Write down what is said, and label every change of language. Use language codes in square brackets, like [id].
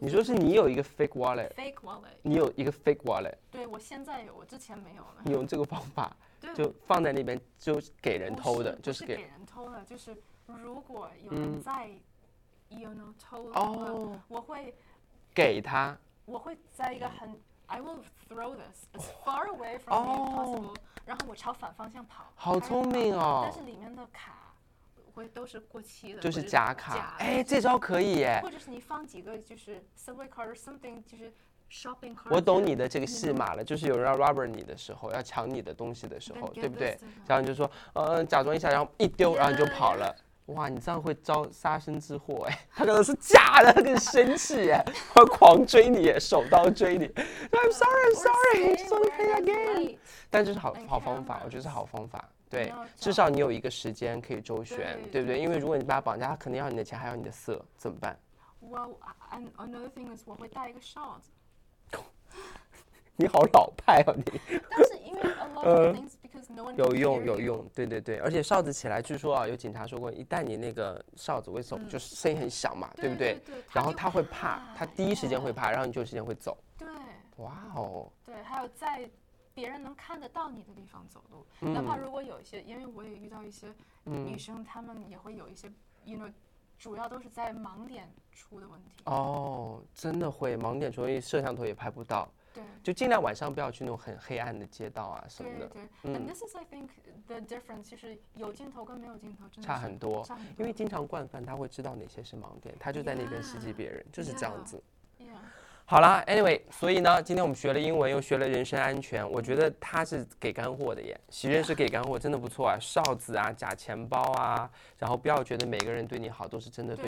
[zh] 你说是你有一个 fake wallet？ [en] Fake wallet。 [zh] 你有一个 fake wallet？对，我现在有，我之前没有了。你用这个方法，就放在那边，就给人偷的，是就是给人偷的，就是如果有人在。 [en] You know, [zh] 偷了、我会给他，我会在一个很 [en] I will throw this as far away from me possible， [zh] 然后我朝反方向跑，好聪明哦！但是里面的卡会都是过期的，就是假卡。哎，这招可以耶！或者是你放几个就是 [en] subway card or something， [zh] 就是 shopping card。我懂你的这个戏码了，就是有人要 rob 你的时候，要抢你的东西的时候，对不对？然后你就说假装一下，然后一丢，然后你就跑了。哇，你这样会招杀身之祸哎！他可能是假的，他很生气哎，他狂追你，手刀追你。 [en] I'm sorry, I'm sorry, it's okay again。 [zh] 但这是好方法，我觉得是好方法。对，至少你有一个时间可以周旋，对不对？因为如果你把他绑架，他肯定要你的钱，还要你的色，怎么办 [en] ？Well, and another thing is， [zh] 我会带一个 [en] shot。 [zh] 你好老派啊你！但是因为 [en] a lot of things。 No、 [zh] 有用有用，对对对，而且哨子起来，据说啊，有警察说过，一旦你那个哨子会走，就是声音很响嘛，对不对？对对对，然后他会怕，他第一时间会怕，然后你就时间会走。对，哇哦。对，还有在别人能看得到你的地方走路，哪怕如果有一些，因为我也遇到一些女生，她们也会有一些 ， [en] you know。 [zh] 主要都是在盲点出的问题哦，真的会盲点出，因为摄像头也拍不到。对，就尽量晚上不要去那种很黑暗的街道啊什么的。对对。 [en] And this is, I think, the difference， [zh] 就是有镜头跟没有镜头真的差很多。差很多。因为经常惯犯，他会知道哪些是盲点，他就在那边袭击别人， [en] yeah, [zh] 就是这样子。 [en] Yeah, yeah.。 [zh] 好了 ，Anyway， 所以呢，今天我们学了英文，又学了人身安全，我觉得他是给干货的耶，习认是给干货，真的不错啊，哨子啊，假钱包啊，然后不要觉得每个人对你好都是真的